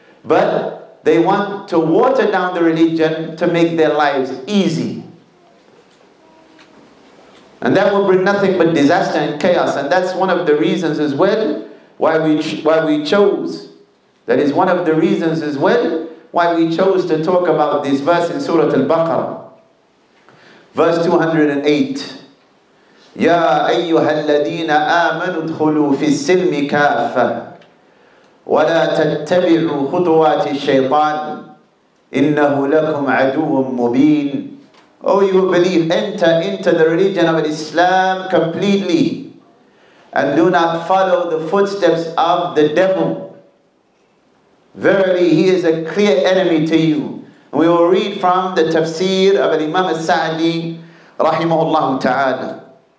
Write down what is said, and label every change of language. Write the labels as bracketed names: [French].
[English] But they want to water down the religion to make their lives easy. And that will bring nothing but disaster and chaos. And that's one of the reasons as well why we chose. That is one of the reasons as well why we chose to talk about this verse in Surah Al-Baqarah. [Arabic] Verse 208. يا أيها الذين آمنوا ادخلوا في السلم كافة ولا تتبعوا خطوات الشيطان إنه لكم عدو مبين. [English] Oh, you who believe, enter into the religion of Islam completely and do not follow the footsteps of the devil. Verily, he is a clear enemy to you. And we will read from the tafsir of Imam Al-Sa'di rahimahullah ta'ala.